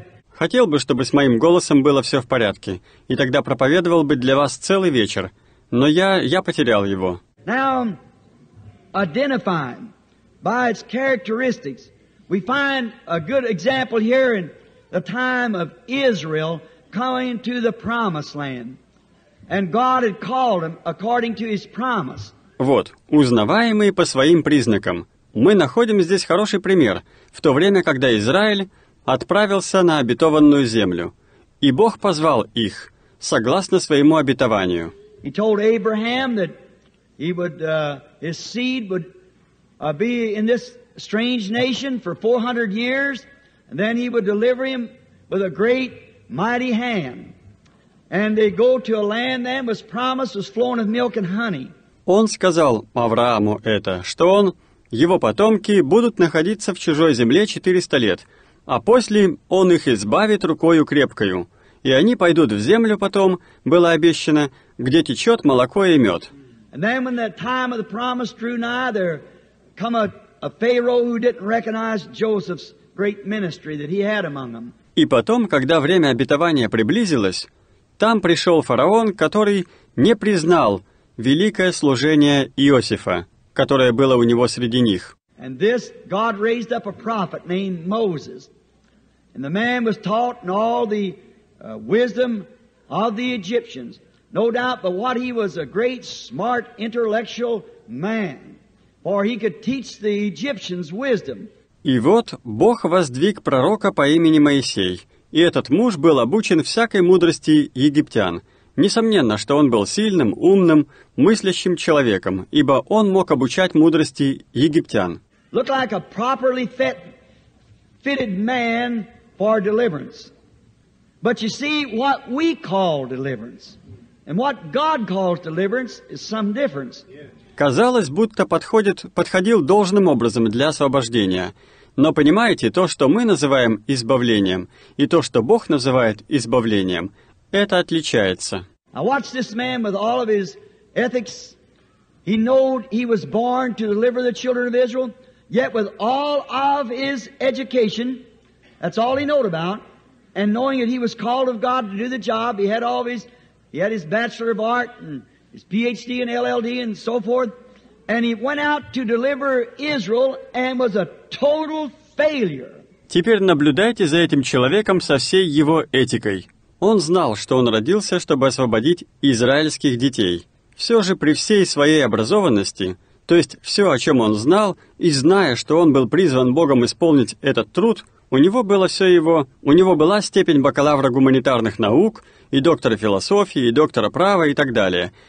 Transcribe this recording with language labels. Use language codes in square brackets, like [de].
[ru] Хотел бы, чтобы с моим голосом было все в порядке, и тогда проповедовал бы для вас целый вечер. Но я потерял его. [en] Now, identifying by its characteristics, we find a good example here in the time of Israel coming to the promised land. And God had called them according to his promise. [ru] Вот, узнаваемые по своим признакам. Мы находим здесь хороший пример, в то время, когда Израиль отправился на обетованную землю, и Бог позвал их согласно своему обетованию. [en] He told Abraham that he would, his seed would be in this strange nation for 400 years, and then he would deliver him with a great mighty hand. And they go to a land that was promised, was flowing with milk and honey. [ru] Он сказал Аврааму это, что он, его потомки будут находиться в чужой земле 400 лет, а после он их избавит рукою крепкою, и они пойдут в землю потом, было обещано, где течет молоко и мед. [en] And then when that time of the promise drew nigh, there come a Pharaoh who didn't recognize Joseph's great ministry that he had among them. [ru] И потом, когда время обетования приблизилось, там пришел фараон, который не признал великое служение Иосифа, которое было у него среди них. [en] And this God raised up a prophet named Moses. And the man was taught in all the wisdom of the Egyptians. No doubt, but what he was a great, smart, intellectual man. For he could teach the Egyptians wisdom. [ru] И вот Бог воздвиг пророка по имени Моисей. И этот муж был обучен всякой мудрости египтян. Несомненно, что он был сильным, умным, мыслящим человеком, ибо он мог обучать мудрости египтян. [en] Looked like a properly fitted man for deliverance. But you see, what we call deliverance and what God calls deliverance is some difference. [ru] Казалось, будто подходил должным образом для освобождения. Но понимаете, то, что мы называем избавлением, и то, что Бог называет избавлением, это отличается. [en] I watched this man with all of his ethics. He knew he was born to deliver the children of Israel. Yet with all of his education, That's all he knowed about. And knowing that he was called of God to do the job, he had all of his, he had his Bachelor of Art and his PhD and LLD and so forth. And he went out to deliver Israel and was a total failure. [ru] Теперь наблюдайте за этим человеком со всей его этикой. Он знал, что он родился, чтобы освободить израильских детей. Все же при всей своей образованности, то есть все, о чем он знал, и зная, что он был призван Богом исполнить этот труд, у него было все его, у него была степень бакалавра гуманитарных наук, и доктора философии, и доктора права, и так далее.